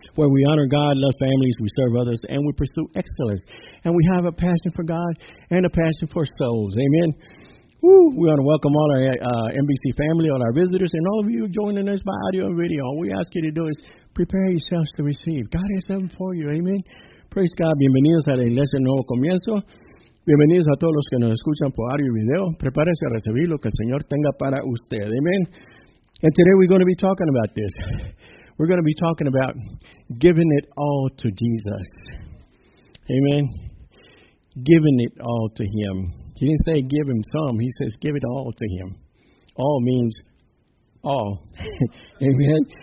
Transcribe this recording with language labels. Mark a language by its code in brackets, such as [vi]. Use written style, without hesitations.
[en] Where we honor God, love families, we serve others, and we pursue excellence. And we have a passion for God and a passion for souls. Amen. Woo. We want to welcome all our NBC family, all our visitors, and all of you joining us by audio and video. All we ask you to do is prepare yourselves to receive. God has something for you. Amen. Praise God. [es] Bienvenidos a la Iglesia Nuevo Comienzo. Bienvenidos a todos los que nos escuchan por audio y video. Prepárese a recibir lo que el Señor tenga para usted. [en] Amen. And today we're going to be talking about this. We're going to be talking about giving it all to Jesus. Amen. Giving it all to Him. He didn't say give Him some. He says give it all to Him. All means all. Amen.